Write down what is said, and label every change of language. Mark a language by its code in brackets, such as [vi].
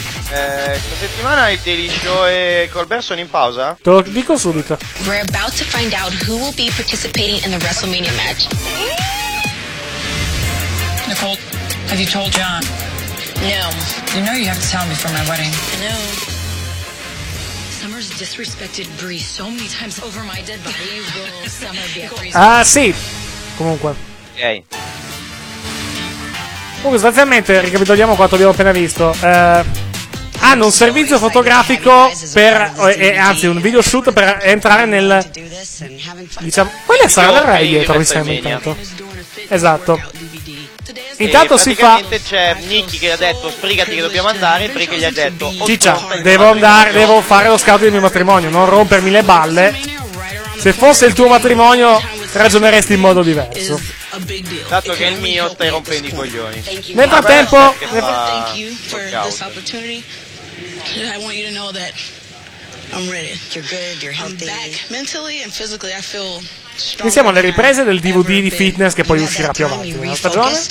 [it] Questa settimana il Daily Show e Colbert sono in pausa? Te lo dico subito. [en] We're about to find out who will be participating in the WrestleMania match. Nicole, have you told John? No. You know you have to tell me for my wedding. I know. Summer's disrespected Bree so many times over my dead body. Will Summer be a freeze? [it] Ah, sì. Comunque. Ehi. Okay. Comunque, sostanzialmente, ricapitoliamo quanto abbiamo appena visto. Hanno un servizio fotografico per, anzi un video shoot per entrare nel, diciamo, quella sarà la Rai dietro, mi sembra, intanto. Esatto. Intanto si fa, c'è Nicky che gli ha detto sbrigati che dobbiamo andare, Brighi gli ha detto ciccia, devo andare, devo fare lo scout del mio matrimonio, non rompermi le balle. Se fosse il tuo matrimonio ragioneresti in modo diverso, dato che è il mio stai rompendo i coglioni. Nel frattempo [en] I want you to know that I'm ready. You're good, you're healthy. I'm back mentally and physically. I feel stronger. [it] Iniziamo le riprese del DVD di fitness che poi uscirà più avanti nella stagione.